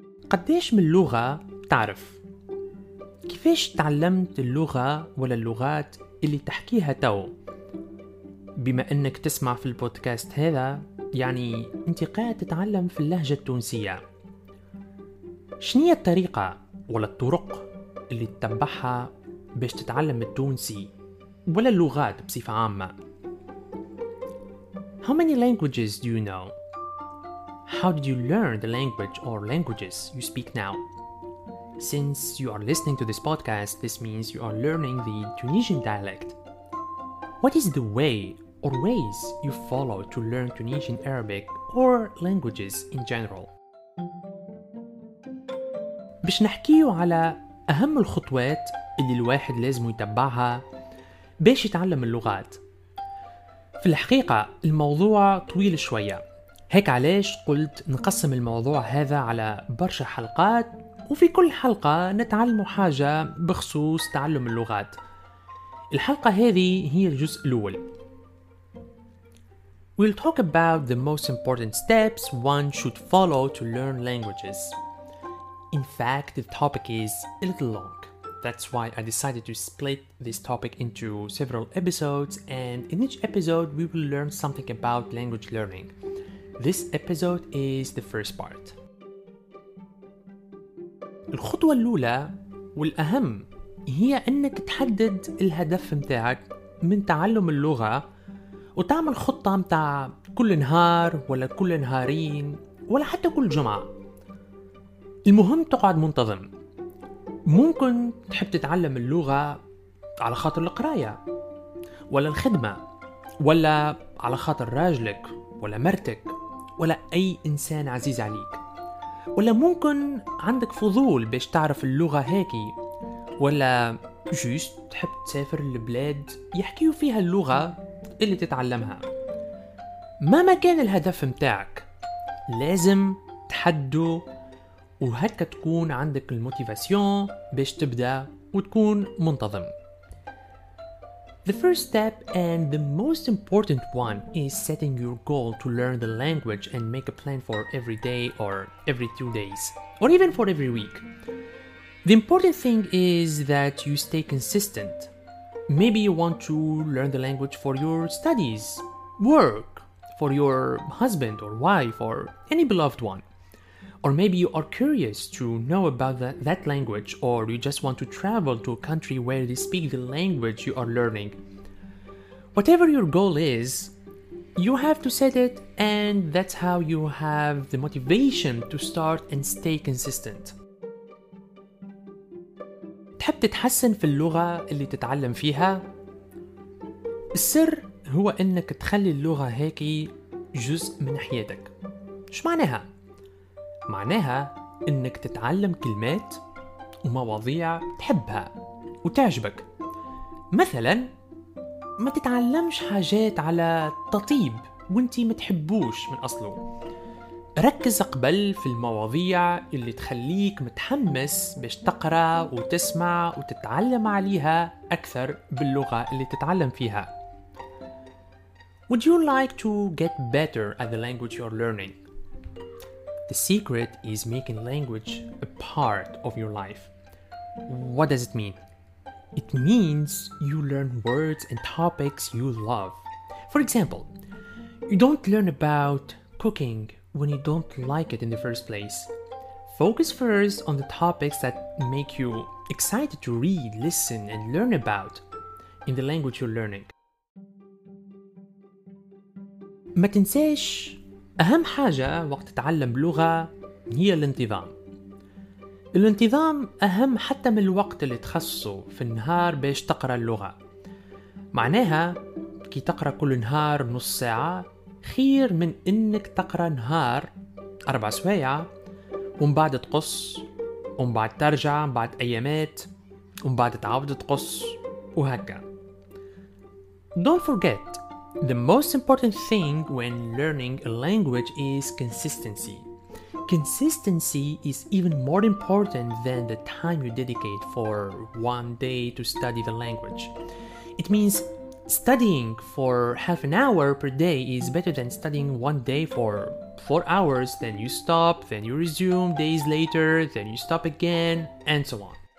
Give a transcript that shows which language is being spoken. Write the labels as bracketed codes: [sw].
[ar] قديش من لغة تعرف؟ كيفاش تعلمت اللغة ولا اللغات اللي تحكيها تو؟ بما انك تسمع في البودكاست هذا، يعني انت قاعد تتعلم في اللهجة التونسية. شنية الطريقة ولا الطرق اللي تتبعها باش تتعلم التونسي ولا اللغات بصفة عامة؟ [en] How many languages do you know? How did you learn the language or languages you speak now? Since you are listening to this podcast, this means you are learning the Tunisian dialect. What is the way or ways you follow to learn Tunisian Arabic or languages in general? [ar] باش نحكيو على أهم الخطوات اللي الواحد لازم يتبعها باش يتعلم اللغات. في الحقيقة الموضوع طويل شوية، هيك علاش قلت نقسم الموضوع هذا على برشا حلقات، وفي كل حلقة نتعلم حاجة بخصوص تعلم اللغات. الحلقة هذه هي الجزء الأول. [en] We'll talk about the most important steps one should follow to learn languages. In fact, the topic is a little long. That's why I decided to split this topic into several episodes, and in each episode we will learn something about language learning. This episode is the first part. [ar] الخطوة الأولى والأهم هي أنك تحدد الهدف متاعك من تعلم اللغة، وتعمل خطة متاع كل نهار ولا كل نهارين ولا حتى كل جمعة. المهم تقعد منتظم. ممكن تحب تتعلم اللغة على خاطر القراية ولا الخدمة ولا على خاطر راجلك ولا مرتك ولا أي إنسان عزيز عليك، ولا ممكن عندك فضول باش تعرف اللغة هاكي، ولا جوست تحب تسافر لبلاد يحكيو فيها اللغة اللي تتعلمها. مهما كان الهدف متاعك، لازم تحدو، وهكا تكون عندك الموتيفاسيون باش تبدأ وتكون منتظم. [en] The first step and the most important one is setting your goal to learn the language and make a plan for every day or every 2 days or even for every week. The important thing is that you stay consistent. Maybe you want to learn the language for your studies, work, for your husband or wife or any beloved one. Or maybe you are curious to know about that language, or you just want to travel to a country where they speak the language you are learning. Whatever your goal is, you have to set it, and that's how you have the motivation to start and stay consistent. [ar] تحب تتحسن في اللغة اللي تتعلم فيها؟ السر هو انك تخلي اللغة هيكي جزء من حياتك. شو معناها؟ معناها انك تتعلم كلمات ومواضيع تحبها وتعجبك. مثلا ما تتعلمش حاجات على تطيب وانتي ما تحبوش من اصله. ركز قبل في المواضيع اللي تخليك متحمس باش تقرا وتسمع وتتعلم عليها اكثر باللغه اللي تتعلم فيها. [en] Would you like to get better at the language you're learning? The secret is making language a part of your life. What does it mean? It means you learn words and topics you love. For example, you don't learn about cooking when you don't like it in the first place. Focus first on the topics that make you excited to read, listen, and learn about in the language you're learning. [ar] ما تنساش أهم حاجة وقت تتعلم لغة هي الانتظام. الانتظام أهم حتى من الوقت اللي تخصصه في النهار باش تقرأ اللغة. معناها كي تقرأ كل نهار نص ساعة خير من إنك تقرأ نهار أربع سوايع ومن بعد تقص ومن بعد ترجع ومن بعد أيامات ومن بعد تعود تقص وهكا. [en] Don't forget, the most important thing when learning a language is consistency. Consistency is even more important than the time you dedicate for one day to study the language. It means studying for half an hour per day is better than studying one day for 4 hours, then you stop, then you resume days later, then you stop again, and so on.